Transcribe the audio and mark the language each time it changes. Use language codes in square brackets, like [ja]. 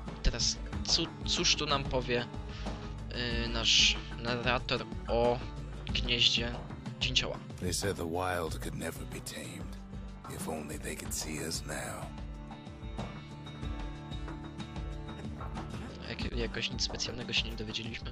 [pl] teraz cóż tu nam powie nasz narrator o gnieździe dzięcioła. [en] They said the wild could never be tamed. If only they could see us now. [pl] Jakoś nic specjalnego się nie dowiedzieliśmy.